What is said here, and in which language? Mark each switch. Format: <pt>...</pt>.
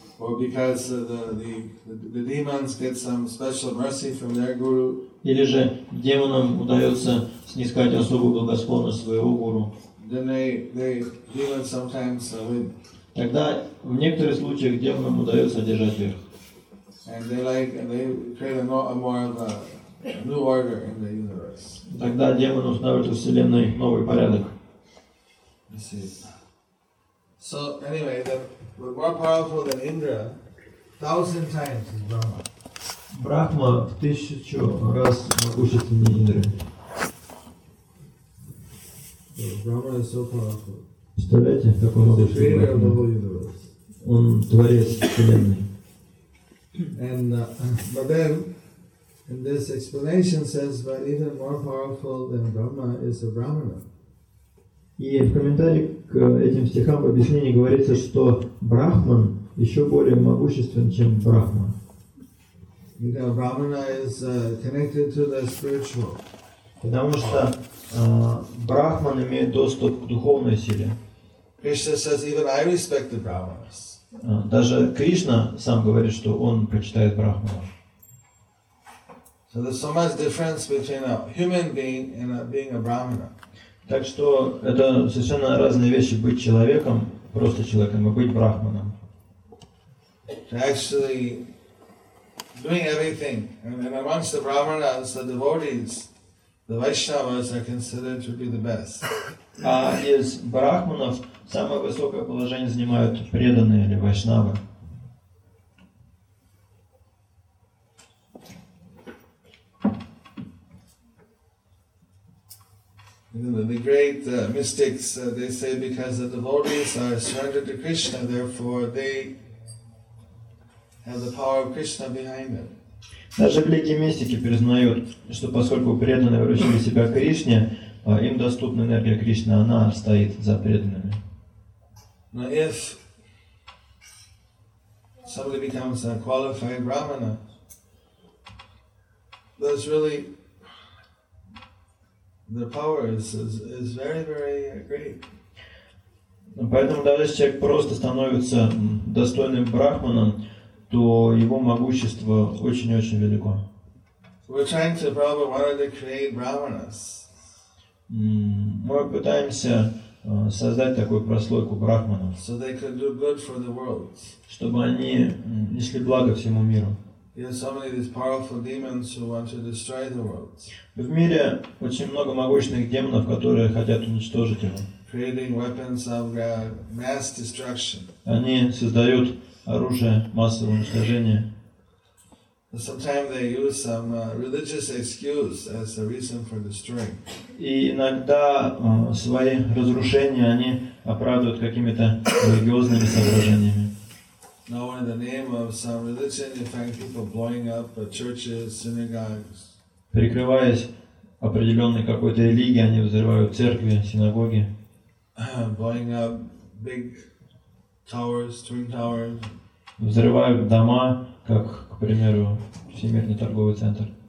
<en>Or because the demons get some special mercy from their guru.</en> <ru>Или же демонам удается снискать особую благосклонность своего гуру.</ru> <en>Then they even sometimes win.</en> <ru>Тогда в некоторых случаях демонам удается одержать верх.</ru> <en>And they create a more of a new order in the universe.</en> <ru>Тогда демоны устанавливают во Вселенной новый порядок.</ru> <en>So anyway, the more powerful than Indra, 1000 times is Brahma.</en> <ru>Брахма в 1000 раз могущественнее Индры.</ru> <en>Брахма is so powerful.</en> <ru>Представляете, какой могущественный Брахма. Он творец Вселенной.</ru> <en>And but then, in this explanation says, but even more powerful than Brahma is a Brahmana.</en> <ru>И в комментарии к этим стихам в объяснении говорится, что Брахман еще более могуществен, чем Брахма.</ru> <en>You know, Brahmana is connected to the spiritual.</en> <ru>Потому что Брахман имеет доступ к духовной силе.</ru> <en>Krishna says, even I respect the Brahmanas.</en> <ru>Даже Кришна сам говорит, что он почитает Брахмана.</ru> <en>So there's so much difference between a human being and being a Brahmana.</en> <ru>Так что это совершенно разные вещи быть человеком, просто человеком, и быть Брахманом.</ru> <en>Actually doing everything. And amongst the Brahmanas, the devotees, the Vaishnavas are considered to be the best.</en> <ru>А из Брахманов самое высокое положение занимают преданные или Вайшнавы.</ru> <en>The great mystics, they say, because the devotees are surrendered to Krishna, therefore they have the power of Krishna behind them.</en> <ru>Даже великие мистики признают, что поскольку преданные вручили себя Кришне, им доступна энергия Кришны, она стоит за преданными.</ru> <en>Now if somebody becomes a qualified brahmana, that's really the power is very, very great.</en> <ru>Поэтому даже если человек просто становится достойным брахманом, то его могущество очень-очень велико.</ru> <en>We're trying to, Prabhupada wanted to create brahmanas.</en> <ru>Мы пытаемся создать такую прослойку брахманов,</ru> <en>so they could do good for the world.</en> <ru>Чтобы они несли благо всему миру. В мире очень много могущественных демонов, которые хотят уничтожить его.</ru> <en>Creating weapons of mass destruction.</en> <ru>Они создают оружие массового уничтожения.</ru> <en>Sometimes they use some religious excuse as a reason for destroying.</en> <ru>И иногда свои разрушения они оправдывают какими-то религиозными соображениями.</ru> <en>Now in the name of some religion, you find people blowing up churches, synagogues.</en> <ru>Прикрываясь определенной какой-то религией, они взрывают церкви, синагоги.</ru> <en>Blowing up big towers, twin towers.</en> <ru>Взрывают дома, как, к примеру, Всемирный торговый центр.</ru>